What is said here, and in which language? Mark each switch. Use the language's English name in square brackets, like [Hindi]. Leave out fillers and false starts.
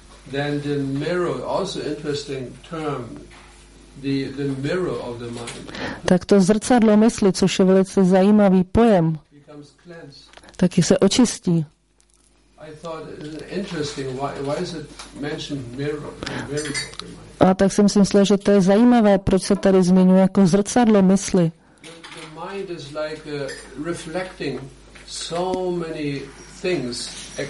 [English] Then the mirror, also interesting term, the mirror of the mind. [Czech] Tak to zrcadlo mysli, což je velice zajímavý pojem, taky se očistí. [English] I thought interesting, why is it mentioned mirror of the mind? [Czech] A tak jsem si myslel, že to je zajímavé, proč se tady zmiňuje jako zrcadlo mysli. [English] The mind is like reflecting so many things.